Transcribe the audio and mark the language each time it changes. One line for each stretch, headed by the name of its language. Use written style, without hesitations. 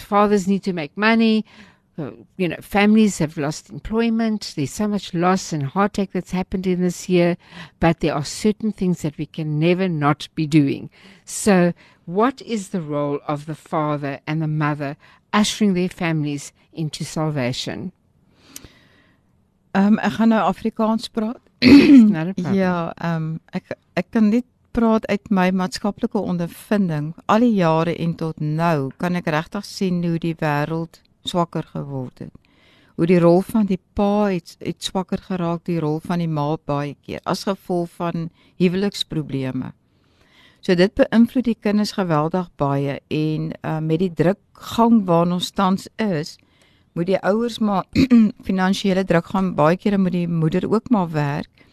English: Fathers need to make money. You know, families have lost employment. There's so much loss and heartache that's happened in this year. But there are certain things that we can never not be doing. So what is the role of the father and the mother ushering their families into salvation?
Afrikaans: Ek gaan nou Afrikaans praat. Ja, ek kan net praat uit my maatskaplike ondervinding. Al die jare en tot nou kan ek regtig sien hoe die wêreld swakker geword het. Hoe die rol van die pa het swakker geraak, die rol van die ma baie keer, as gevolg van huweliksprobleme. So dit beïnvloed die kinders geweldig baie en met die drukgang waarin ons tans is, moet die ouers maar finansiële drukgang baie keer, en moet die moeder ook maar werk.